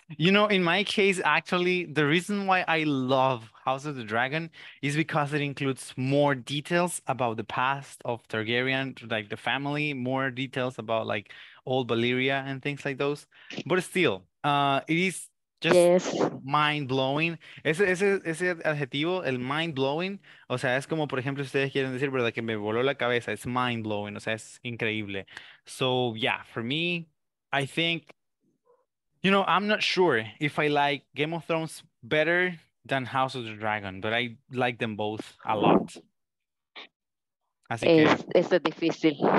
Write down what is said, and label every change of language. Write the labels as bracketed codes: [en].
[en] You know, in my case, actually, the reason why I love House of the Dragon is because it includes more details about the past of Targaryen, like the family, more details about like old Valyria and things like those. But still, it is just mind-blowing. [es] Ese adjetivo, el mind-blowing, o sea, es como, por ejemplo, ustedes quieren decir, ¿verdad? Que me voló la cabeza. [en] It's mind-blowing, [es] o sea, es increíble. [en] So, yeah, for me, I think, you know, I'm not sure if I like Game of Thrones better than House of the Dragon, but I like them both a lot. It's so difícil.